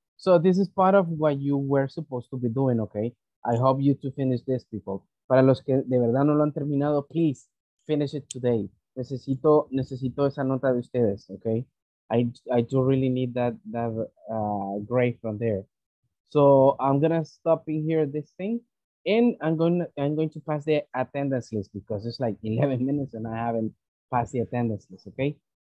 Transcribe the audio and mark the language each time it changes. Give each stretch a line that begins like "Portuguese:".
English: So this is part of what you were supposed to be doing, okay? I hope you to finish this, people.
Spanish: Para los que de verdad no lo han terminado,
English: please finish it today.
Spanish: Necesito esa nota de ustedes, okay?
English: I do really need that grade from there. So I'm gonna stop in here this thing, and I'm going to pass the attendance list because it's like 11 minutes and I haven't passed the attendance list, okay?